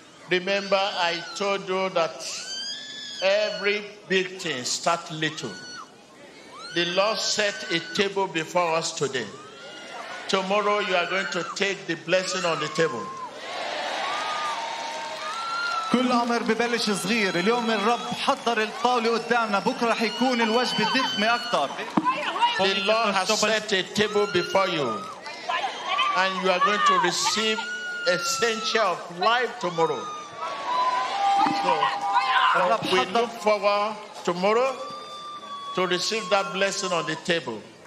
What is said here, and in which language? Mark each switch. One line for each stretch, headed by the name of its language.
English: Remember, I told you that every big thing starts little. The Lord set a table before us today. Tomorrow you are going to take the blessing on the table.
Arabic: كل أمر ببلش صغير. اليوم الرب حضر الطاولة قدامنا. بكرة رح يكون الوجبة ضخمة أكثر.
English: The Lord has set a table before you, and you are going to receive essential of life tomorrow. So, we look forward tomorrow to receive that blessing on the table.